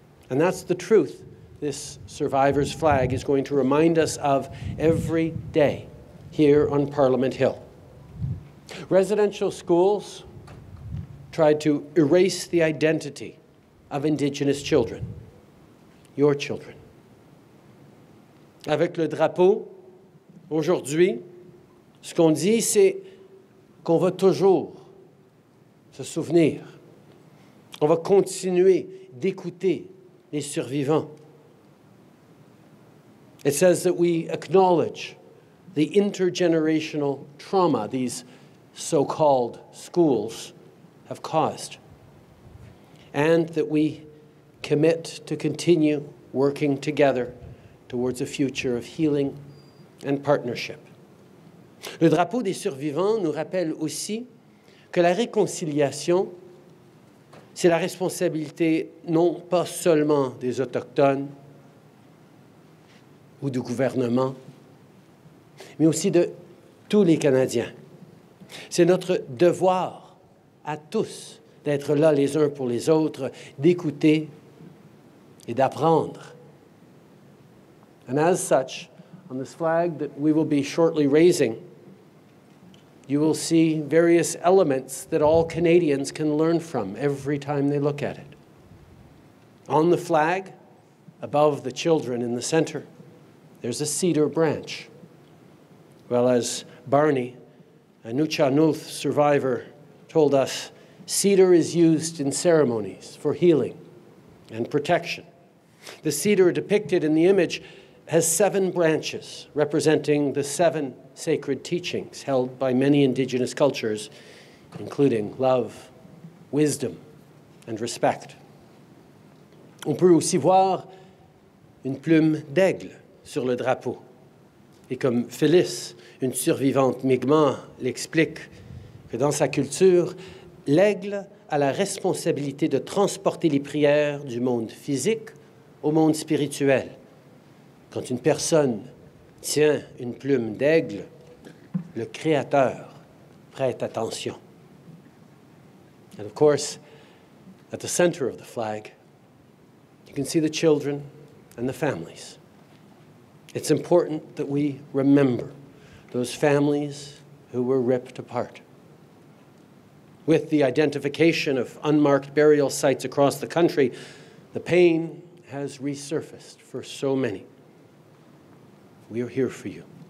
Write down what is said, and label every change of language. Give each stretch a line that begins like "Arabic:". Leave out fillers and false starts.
English: And that's the truth this survivor's flag is going to remind us of every day here on Parliament Hill. Residential schools tried to erase the identity of Indigenous children, your children.
French: Avec le drapeau, aujourd'hui, ce qu'on dit, c'est qu'on va toujours se souvenir. On va continuer d'écouter les survivants.
English: It says that we acknowledge the intergenerational trauma these so-called schools have caused, and that we commit to continue working together towards a future of healing and partnership.
French: Le drapeau des survivants nous rappelle aussi que la réconciliation, c'est la responsabilité non pas seulement des Autochtones ou du gouvernement, mais aussi de tous les Canadiens. C'est notre devoir à tous d'être là les uns pour les autres, d'écouter et d'apprendre.
English: And as such, on this flag that we will be shortly raising, you will see various elements that all Canadians can learn from every time they look at it. On the flag, above the children in the center, there's a cedar branch. Well, as Barney, a Nuchanuth survivor, told us, cedar is used in ceremonies for healing and protection. The cedar depicted in the image has seven branches representing the seven sacred teachings held by many Indigenous cultures, including love, wisdom, and respect.
French: On peut aussi voir une plume d'aigle sur le drapeau. Et comme Phyllis, une survivante Mi'kmaq, l'explique, que dans sa culture, l'aigle a la responsabilité de transporter les prières du monde physique au monde spirituel. Quand une personne tient une plume d'aigle, le Créateur prête attention.
English: And of course, at the center of the flag, you can see the children and the families. It's important that we remember those families who were ripped apart. With the identification of unmarked burial sites across the country, the pain has resurfaced for so many. We are here for you.